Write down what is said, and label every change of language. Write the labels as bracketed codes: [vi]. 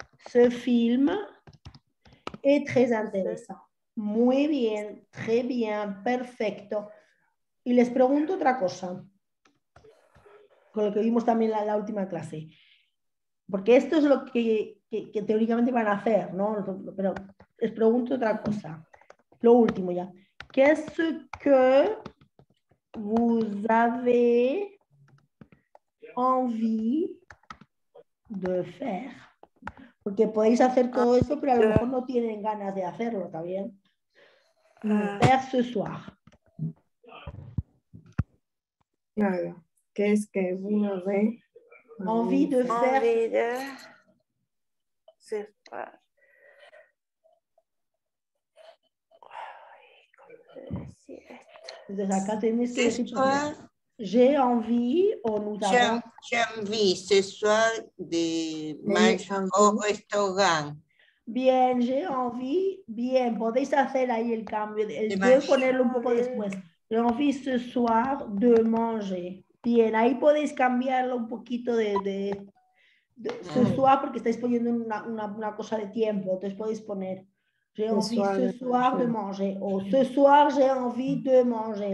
[fr] Ce film est très intéressant. [es] Muy bien, [fr] très bien, [es] perfecto. Y les pregunto otra cosa. con lo que vimos también en la última clase. Porque esto es lo que teóricamente van a hacer, ¿no? Pero les pregunto otra cosa. Lo último ya. ¿Qué es lo que [fr] vous avez envie de faire? [es] Porque podéis hacer todo eso, pero a lo mejor no tienen ganas de hacerlo, ¿está bien? [fr] Faire ce soir. [es] Claro. ¿Qué es que [fr] vous avez envie de faire? Envie de ce soir. [es] Desde acá tenéis que [fr] j'ai envie [es] o [fr] nous avons. J'ai envie ce soir de manger au restaurant. Bien, j'ai envie. [es] Bien, podéis hacer ahí el cambio. Voy a ponerlo un poco después. [fr] J'ai envie ce soir de manger. [es] Bien, ahí podéis cambiarlo un poquito de [fr] ce soir [es] porque estáis poniendo una cosa de tiempo. Entonces podéis poner. [fr] J'ai envie ce soir de manger. O ce soir, j'ai envie de manger.